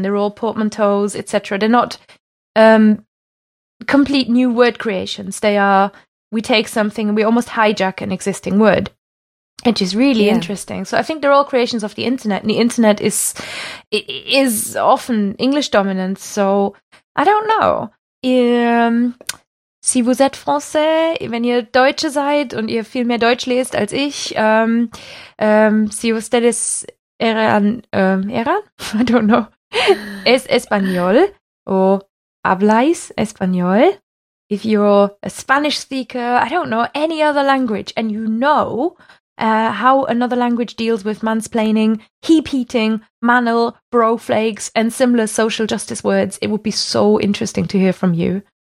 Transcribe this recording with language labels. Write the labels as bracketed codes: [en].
[en] They're all portmanteaus, etc. They're not... complete new word creations. They are, we take something and we almost hijack an existing word, which is really interesting. So I think they're all creations of the internet, and the internet is often English dominant. So I don't know. [fr] Si vous êtes français, [de] wenn ihr Deutsche seid und ihr viel mehr Deutsch lest als ich, [es] si ustedes eran, eran? [en] I don't know. [es] Es español o. Hablais español, [en] if you're a Spanish speaker, I don't know, any other language, and you know how another language deals with mansplaining, heap-heating, manel, bro-flakes, and similar social justice words, it would be so interesting to hear from you.